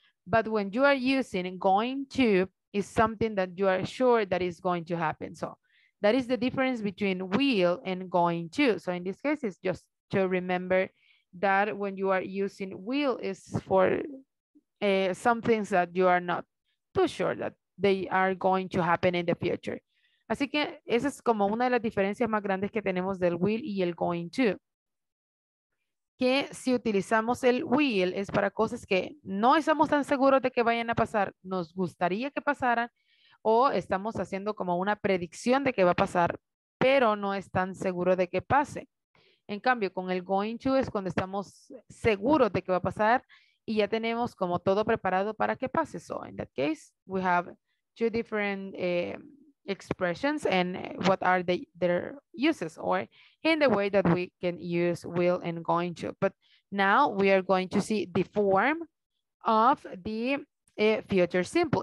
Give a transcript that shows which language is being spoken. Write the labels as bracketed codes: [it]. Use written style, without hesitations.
[en] But when you are using going to, is something that you are sure that is going to happen. So that is the difference between will and going to. So in this case, it's just to remember that when you are using will, is for some things that you are not too sure that they are going to happen in the future. [es] Así que esa es como una de las diferencias más grandes que tenemos del will y el going to. Que si utilizamos el will es para cosas que no estamos tan seguros de que vayan a pasar, nos gustaría que pasaran, o estamos haciendo como una predicción de que va a pasar, pero no es tan seguro de que pase. En cambio, con el going to es cuando estamos seguros de que va a pasar y ya tenemos como todo preparado para que pase. [en] So, in that case, we have two different expressions and what are their uses, or in the way that we can use will and going to. But now we are going to see the form of the future simple.